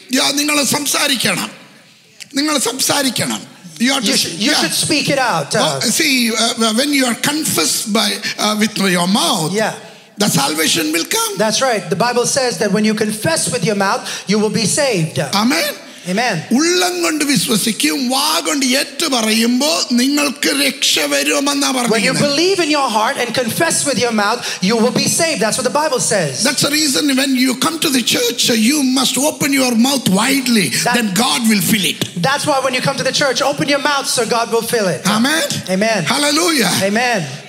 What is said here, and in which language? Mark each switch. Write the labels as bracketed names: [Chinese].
[English] You should speak it out. When you are confessed with your mouth. Yeah. The salvation will come. That's right. The Bible says that when you confess with your mouth, you will be saved. Amen. Amen. [Malayalam] ഉള്ളം കൊണ്ട് വിശ്വസിക്കും വാ കൊണ്ട് ഏറ്റു പറയുമ്പോൾ നിങ്ങൾക്ക് രക്ഷ വരുമെന്നാണ് പറഞ്ഞത്. [English] When you believe in your heart and confess with your mouth, you will be saved. That's what the Bible says. That's the reason when you come to the church, you must open your mouth widely. Then God will fill it. That's why when you come to the church, open your mouth so God will fill it. Amen. Amen. Hallelujah. Amen.